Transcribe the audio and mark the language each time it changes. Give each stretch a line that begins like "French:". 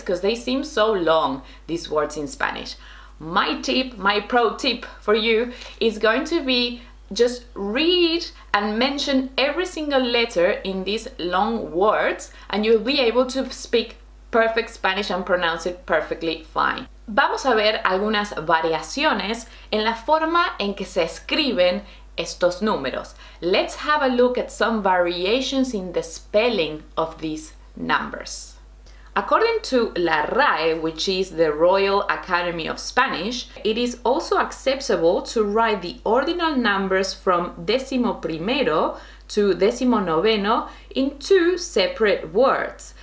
English: Because they seem so long, these words in Spanish. My tip, my pro tip for you is going to be just read and mention every single letter in these long words, and you'll be able to speak perfect Spanish and pronounce it perfectly fine.
Spanish: Vamos a ver algunas variaciones en la forma en que se escriben estos números.
English: Let's have a look at some variations in the spelling of these numbers. According to La RAE, which is the Royal Academy of Spanish, it is also acceptable to write the ordinal numbers from décimo primero to décimo noveno in two separate words.